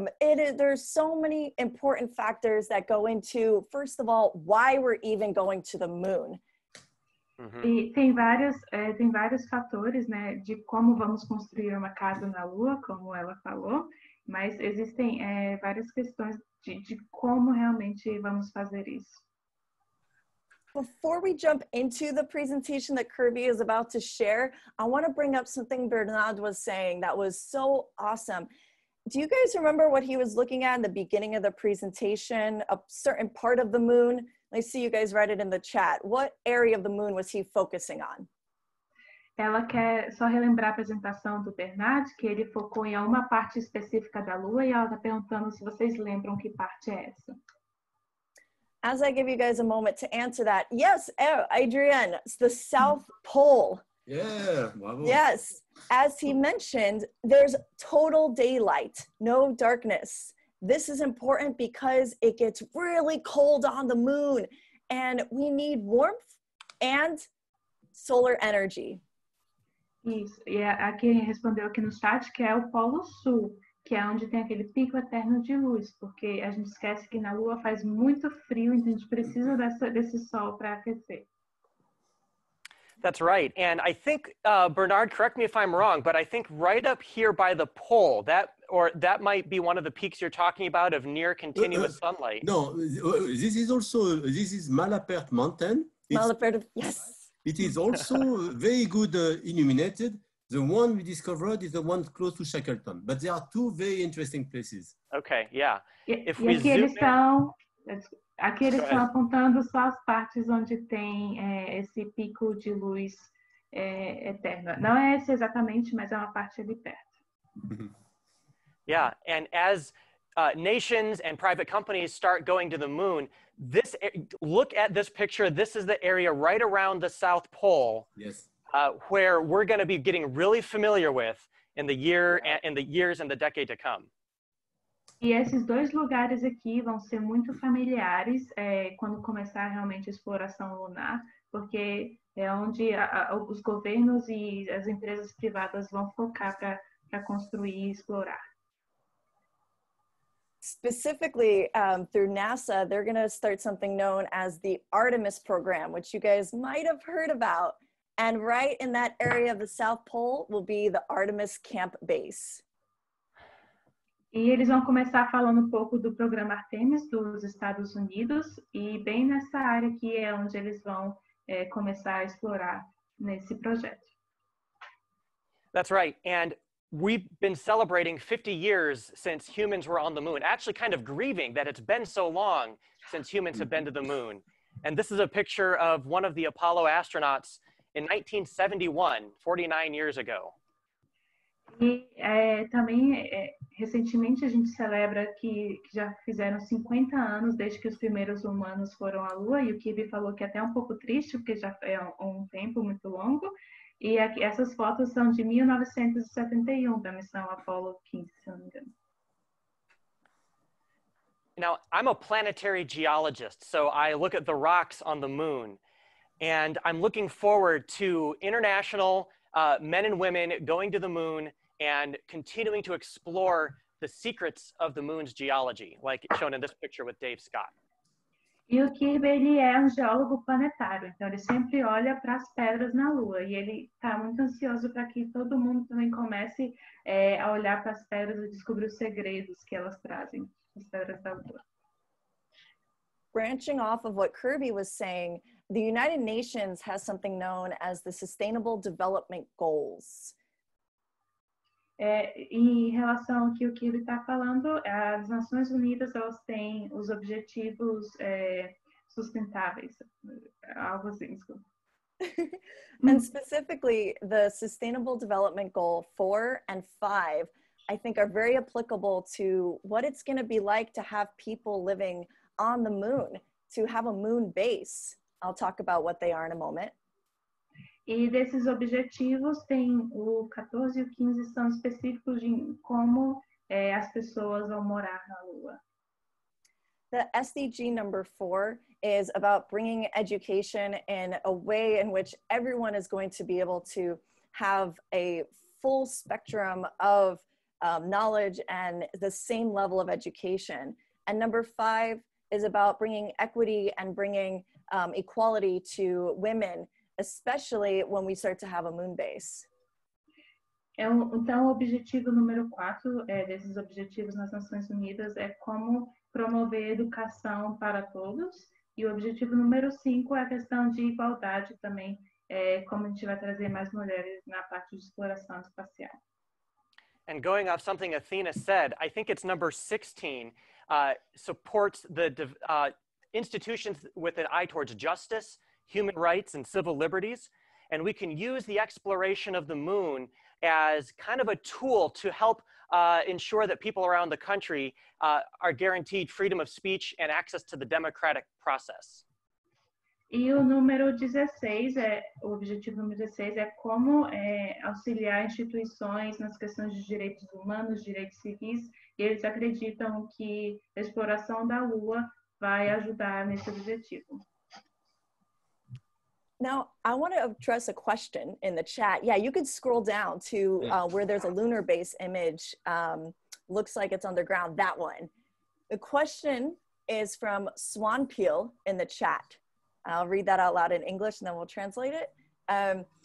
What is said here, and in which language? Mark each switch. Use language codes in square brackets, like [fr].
[en] There's so many important factors that go into, first of all, why we're even going to the moon. Mm-hmm. [pt] E tem vários fatores, né, de como vamos construir uma casa na Lua, como ela falou, mas existem várias questões de como realmente vamos fazer isso. [en] Before we jump into the presentation that Kirby is about to share, I want to bring up something Bernard was saying that was so awesome. Do you guys remember what he was looking at in the beginning of the presentation? A certain part of the moon? I see you guys write it in the chat. What area of the moon was he focusing on? [pt] Ela quer só relembrar a apresentação do Bernard, que ele focou em uma parte específica da Lua, e ela está perguntando se vocês lembram que parte é essa. [en] As I give you guys a moment to answer that, yes, Adrian, it's the South Pole. Yeah, bravo. Yes, as he mentioned, there's total daylight, no darkness. This is important because it gets really cold on the moon and we need warmth and solar energy. [pt] Isso, aqui ele respondeu aqui no chat que é o Polo Sul, que é onde tem aquele pico eterno de luz, porque a gente esquece que na Lua faz muito frio, então a gente precisa desse sol para aquecer. [en] That's right. And I think, Bernard, correct me if I'm wrong, but I think right up here by the pole, that might be one of the peaks you're talking about of near continuous sunlight. No, this is Malapert Mountain. Malapert, yes. It is also very good illuminated. The one we discovered is the one close to Shackleton, but there are two very interesting places. Okay, yeah. If we zoom in. [pt] Aqui eles estão apontando só as partes onde tem esse pico de luz eterno. Não é esse exatamente, mas é uma parte ali perto. [en] Yeah, and as nations and private companies start going to the moon, this, look at this picture. This is the area right around the South Pole. Yes. Where we're going to be getting really familiar with in the year, in the years and the decade to come. [pt] E esses dois lugares aqui vão ser muito familiares quando começar realmente a exploração lunar, porque é onde os governos e as empresas privadas vão focar para construir e explorar. [en] Specifically, through NASA, they're going to start something known as the Artemis program, which you guys might have heard about. And right in that area of the South Pole will be the Artemis camp base. [pt] E eles vão começar falando um pouco do programa Artemis dos Estados Unidos, e bem nessa área aqui é onde eles vão começar a explorar nesse projeto. [en] That's right. And we've been celebrating 50 years since humans were on the moon, actually kind of grieving that it's been so long since humans have been to the moon. And this is a picture of one of the Apollo astronauts in 1971, 49 years ago. [pt] E também, recentemente, a gente celebra que já fizeram 50 anos desde que os primeiros humanos foram à Lua, e o Kirby falou que até é um pouco triste, porque já foi um tempo muito longo. E aqui, essas fotos são de 1971, da missão Apollo 15, se não me engano. [en] Now, I'm a planetary geologist, so I look at the rocks on the moon, and I'm looking forward to international men and women going to the moon and continuing to explore the secrets of the moon's geology, like shown in this picture with Dave Scott. [pt] E o Kirby, ele é geólogo planetário, então ele sempre olha para as pedras na Lua, e ele está muito ansioso para que todo mundo também comece a olhar para as pedras e descobrir os segredos que elas trazem, as pedras da Lua. [en] Branching off of what Kirby was saying, the United Nations has something known as the Sustainable Development Goals. [pt] Em relação ao que o Kirby está falando, as Nações Unidas elas têm os objetivos sustentáveis, algo assim. [en] And specifically, the Sustainable Development Goal 4 and 5, I think, are very applicable to what it's going to be like to have people living on the moon, to have a moon base. I'll talk about what they are in a moment. [pt] E desses objetivos, tem o 14 e o 15 são específicos de como as pessoas vão morar na Lua. [en] The SDG number 4 is about bringing education in a way in which everyone is going to be able to have a full spectrum of knowledge and the same level of education. And number 5 is about bringing equity and bringing equality to women, especially when we start to have a moon base. [pt] Então, o objetivo número 4 desses objetivos nas Nações Unidas é como promover educação para todos. E o objetivo número 5 é a questão de igualdade também, como a gente vai trazer mais mulheres na parte de exploração espacial. [en] And going off something Athena said, I think it's number 16, supports the institutions with an eye towards justice, human rights and civil liberties, and we can use the exploration of the moon as kind of a tool to help ensure that people around the country are guaranteed freedom of speech and access to the democratic process. [pt] E o número 16, o objetivo número 16 é como auxiliar instituições nas questões de direitos humanos, direitos civis, e eles acreditam que a exploração da Lua vai ajudar nesse objetivo. [en] Now, I want to address a question in the chat. Yeah, you could scroll down to where there's a lunar base image. Looks like it's underground, that one. The question is from Swan Peel in the chat. I'll read that out loud in English and then we'll translate it.